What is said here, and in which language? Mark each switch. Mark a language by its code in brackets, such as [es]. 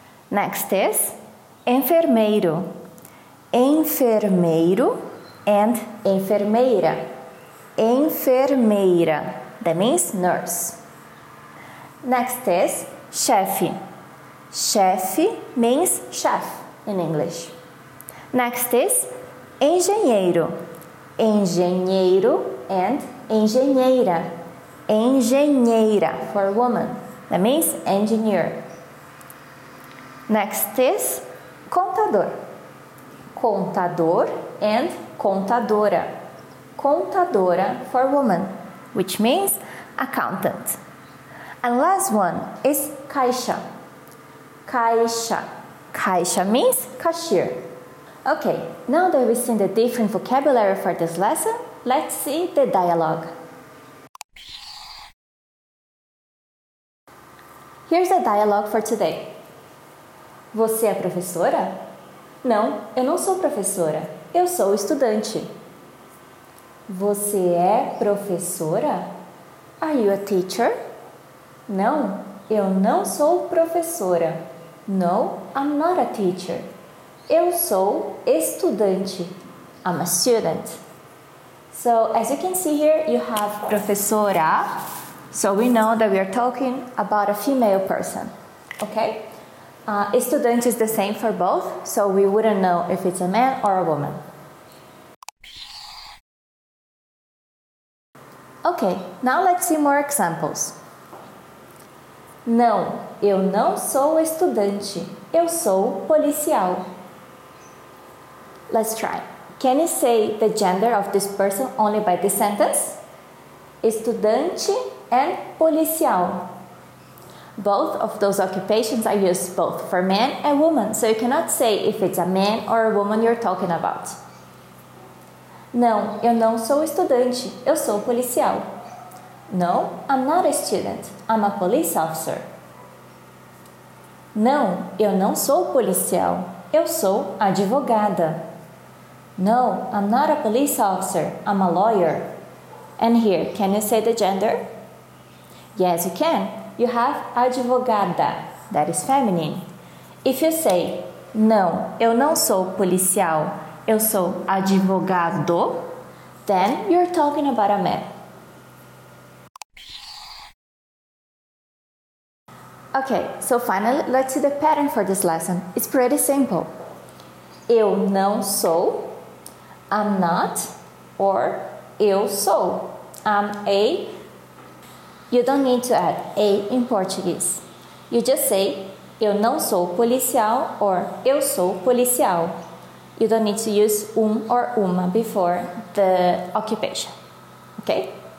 [en] Next is enfermeiro. Enfermeiro and enfermeira. Enfermeira. That means nurse. Next is chefe. Chefe means chef in English. Next is engenheiro. Engenheiro and engenheira. Engenheira for woman. That means engineer. Next is contador. Contador and contadora. Contadora for woman, which means accountant. And last one is caixa. Caixa. Caixa means cashier. Okay, now that we've seen the different vocabulary for this lesson, let's see the dialogue. Here's the dialogue for today. [pt] Você é professora? Não, eu não sou professora. Eu sou estudante. Você é professora? [en] Are you a teacher? [pt] Não, eu não sou professora. [en] No, I'm not a teacher. [pt] Eu sou estudante. [en] I'm a student. So, as you can see here, you have professora. So, we know that we are talking about a female person. Okay? Estudante is the same for both, so we wouldn't know if it's a man or a woman. Okay, now let's see more examples. [pt] Não, eu não sou estudante. Eu sou policial. [en] Let's try. Can you say the gender of this person only by this sentence? Estudante and policial. Both of those occupations are used both for man and woman, so you cannot say if it's a man or a woman you're talking about. [pt] Não, eu não sou estudante. Eu sou policial. [en] No, I'm not a student. I'm a police officer. [pt] Não, eu não sou policial. Eu sou advogada. [en] No, I'm not a police officer. I'm a lawyer. And here, can you say the gender? Yes, you can. You have advogada. That is feminine. If you say, [pt] não, eu não sou policial. Eu sou advogado. [en] Then you're talking about a man. Okay, so finally, let's see the pattern for this lesson. It's pretty simple. [pt] Eu não sou, [en] I'm not, or [pt] eu sou. [en] I'm a You don't need to add a in Portuguese. You just say, [pt] eu não sou policial [en] or [pt] eu sou policial. [en] You don't need to use or uma before the occupation. Okay?